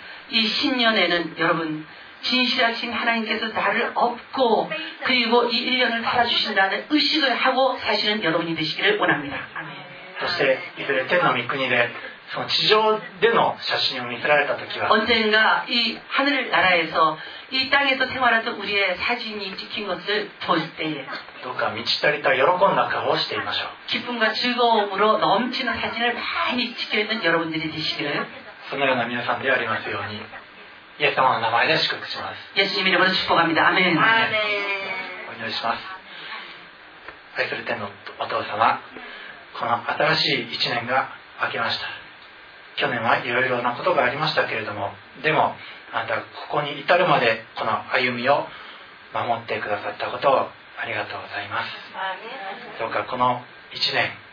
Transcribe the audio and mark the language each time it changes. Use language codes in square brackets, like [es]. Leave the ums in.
[ko] 이 신년에는 여러분 진실하신 하나님께서 나를 업고 그리고 이 1년을 살아주신다는 의식을 하고 사시는 여러분이 되시기를 원합니다. [ja] そしていずれ天の御国でその地上での写真を見せられた時は [ko] 언젠 가이하늘나라에서이땅에서생활하던우리의사진이찍힌것을볼때에 [ja] どうか満ち足りた喜んだ顔をしていましょう [ko] 기쁨과즐거움으로넘치는사진을많이찍혀있는여러분들이되시기를 [ja] そのような皆さんでありますようにイエス様の名前で祝福します [ko] イエス님이름으로축복합니다아お願 [ja] いします愛する天のお父様新しい1年が明けました去年はいろいろなことがありましたけれどもでもあなたここに至るまでこの歩みを守ってくださったことをありがとうございますどうかこの1年